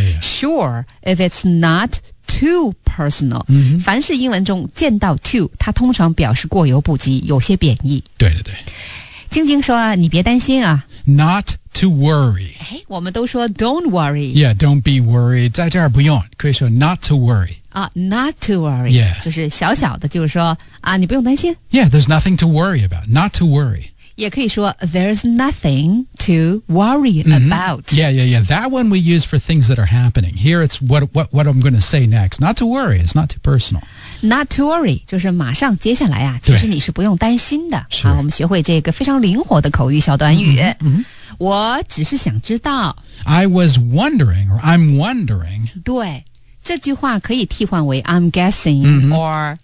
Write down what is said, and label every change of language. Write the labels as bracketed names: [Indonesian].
[English] Sure, if it's not. Too personal、 [Chinese] 凡是英文中见到 too 它通常表示过犹不及有些贬义对晶晶说你别担心啊 [English] Not to worry [Chinese] 我们都说 [English] don't worry Yeah, don't be worried [Chinese] 在这儿不用可以说 [English] not to worry Not to worry、 yeah. [Chinese] 就是小小的就是说啊，你不用担心 [English] Yeah, there's nothing to worry about Not to worry [Chinese] 也可以说 [English] there's nothing to worry about.、 Yeah. That one we use for things that are happening. Here it's what I'm going to say next. Not to worry. It's not too personal. Not to worry. [Chinese] 就是马上接下来啊其实你是不用担心的。是、啊。我们学会这个非常灵活的口语小短语。我只是想知道。 [English] I was wondering, or I'm wondering. [Chinese] 对。这句话可以替换为 [English] I'm guessing、 [Chinese] or